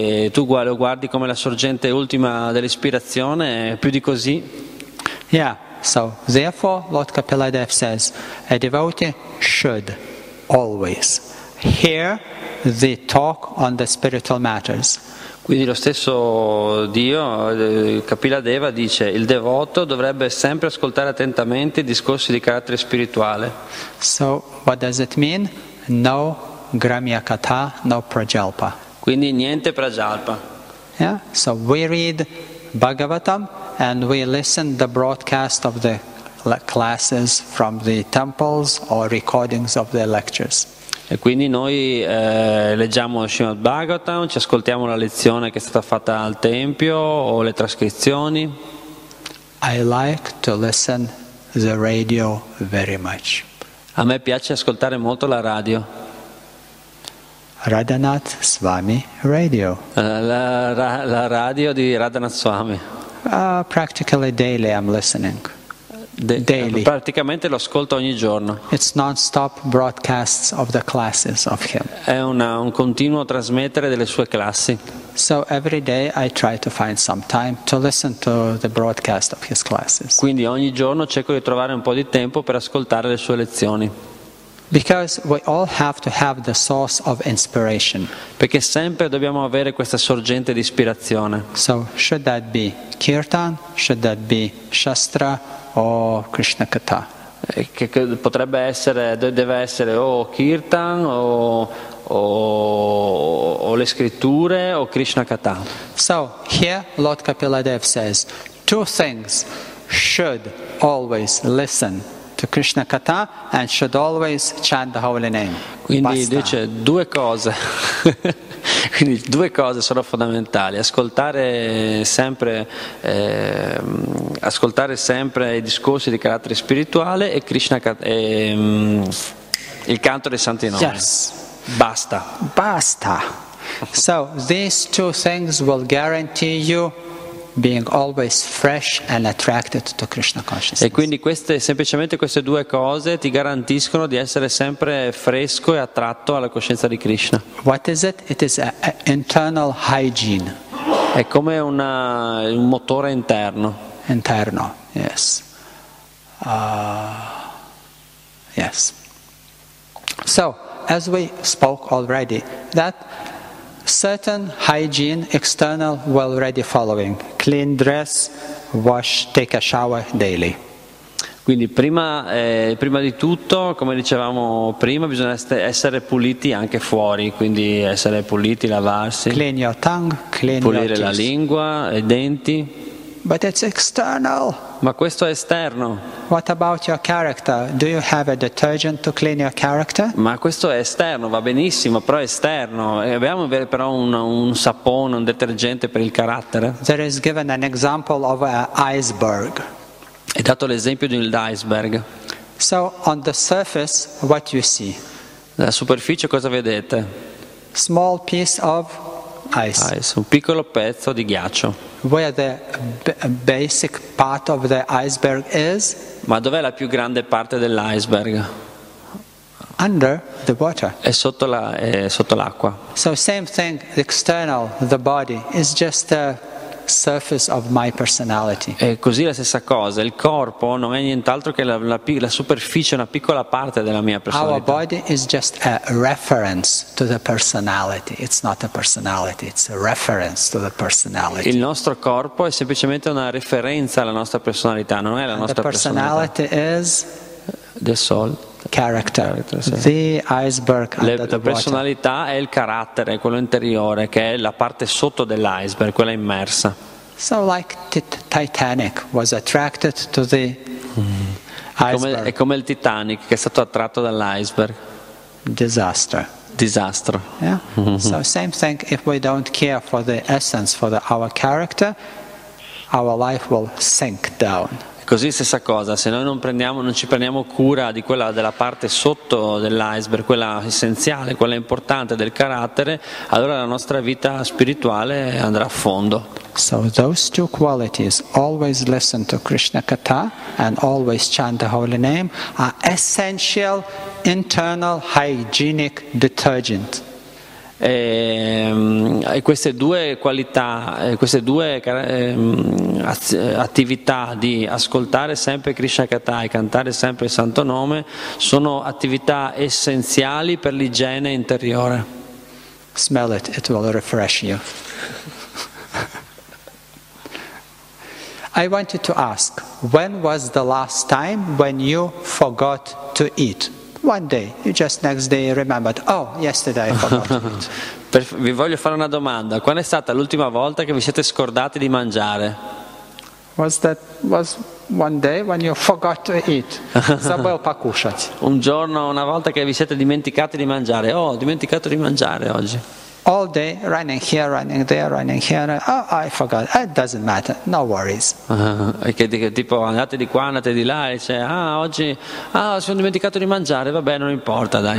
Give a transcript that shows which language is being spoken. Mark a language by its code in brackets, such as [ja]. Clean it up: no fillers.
[it] Tu lo guardi come la sorgente ultima dell'ispirazione, più di così? [en] Yeah, so therefore Lord Kapiladev says a devotee should always hear the talk on the spiritual matters. [it] Quindi lo stesso Dio, Kapiladeva, dice il devoto dovrebbe sempre ascoltare attentamente i discorsi di carattere spirituale. [en] So what does it mean? No gramya katha, no prajalpa. [it] Quindi niente prajalpa. [en] Yeah, so we read Bhagavatam and we listen the broadcast of the classes from the temples or recordings of the lectures. [it] E quindi noi leggiamo Srimad Bhagavatam, ci ascoltiamo la lezione che è stata fatta al tempio o le trascrizioni. [en] I like to listen the radio very much. [it] A me piace ascoltare molto la radio. [en] Radhanath Swami Radio. [it] La radio di Radhanath Swami. [en] Practically daily I'm listening. [it] Daily. Praticamente lo ascolto ogni giorno. [en] It's non-stop broadcasts of the classes of him. [it] È un continuo trasmettere delle sue classi. [en] So every day I try to find some time to listen to the broadcast of his classes. [it] Quindi ogni giorno cerco di trovare un po' di tempo per ascoltare le sue lezioni. [en] Because we all have to have the source of inspiration. [it] Perché sempre dobbiamo avere questa sorgente di ispirazione. [en] So should that be kirtan? Should that be shastra or Krishna katha? [it] Che potrebbe essere, deve essere o kirtan o le scritture o Krishna katha. [en] So here Lord Kapiladev says two things should always listen. To Krishna katha and should always chant the holy name. [it] Quindi basta. Dice due cose. Quindi due cose sono fondamentali: ascoltare sempre i discorsi di carattere spirituale e Krishna katha, il canto dei santi nomi. [en] Yes. [it] Basta. Basta. [en] So these two things will guarantee you being always fresh and attracted to Krishna consciousness. [it] E quindi semplicemente queste due cose ti garantiscono di essere sempre fresco e attratto alla coscienza di Krishna. [en] What is it? It is an internal hygiene. [it] È come un motore interno. Interno, yes. [en] Yes. So, as we spoke already, that certain hygiene external well ready following clean dress wash take a shower daily. [it] Quindi prima di tutto, come dicevamo prima, bisogna essere puliti anche fuori, quindi essere puliti, lavarsi, [en] clean your tongue, clean [it] pulire [en] your teeth. [it] La lingua, i denti. [en] But it's external. [it] Ma questo è esterno. [en] What about your character? Do you have a detergent to clean your character? [it] Ma questo è esterno, va benissimo, però è esterno. Abbiamo però un sapone, un detergente per il carattere? [en] There is given an example of an iceberg. [it] È dato l'esempio di un iceberg. [en] So on the surface, what you see? [it] La superficie cosa vedete? [en] Small piece of ice. [it] Un piccolo pezzo di ghiaccio. [en] Where the basic part of the iceberg is? [it] Ma dov'è la più grande parte dell'iceberg? [en] Under the water. [it] È sotto l'acqua. [en] So same thing, the external, the body is just the surface of my personality. [it] È così la stessa cosa, il corpo non è nient'altro che la superficie, una piccola parte della mia personalità. [en] Our body is just a reference to the personality. It's not a personality, it's a reference to the personality. [it] Il nostro corpo è semplicemente una referenza alla nostra personalità, non è la nostra personalità. [en] The personality is the soul. Character, sì. The iceberg under the water. [it] La personalità è il carattere, quello interiore, che è la parte sotto dell'iceberg, quella immersa. [en] So like Titanic was attracted to the iceberg. [it] È come il Titanic che è stato attratto dall'iceberg. [en] Disaster. Yeah. So same thing. If we don't care for the essence, for our character, our life will sink down. [it] Così stessa cosa, se noi non ci prendiamo cura di quella della parte sotto dell'iceberg, quella essenziale, quella importante del carattere, allora la nostra vita spirituale andrà a fondo. [en] So those two qualities, always listen to Krishna Katha and always chant the holy name, are essential internal hygienic detergent. [it] E queste due qualità, queste due attività di ascoltare sempre Krishna Katha e cantare sempre il Santo Nome sono attività essenziali per l'igiene interiore. [en] Smell it, it will refresh you. I wanted to ask, when was the last time when you forgot to eat? One day, you just next day remembered, oh, yesterday I forgot to eat. [it] Vi voglio fare una domanda, quando è stata l'ultima volta che vi siete scordati di mangiare? [en] Was one day when you forgot to eat? [ru] Забыл покушать. [it] Un giorno, una volta che vi siete dimenticati di mangiare, oh, ho dimenticato di mangiare oggi. [en] All day, running here, running there, running here, oh, I forgot, it doesn't matter, no worries. [it] Che tipo, andate di qua, andate di là, e dice, ah, oggi, ah, sono dimenticato di mangiare, vabbè, non importa, dai.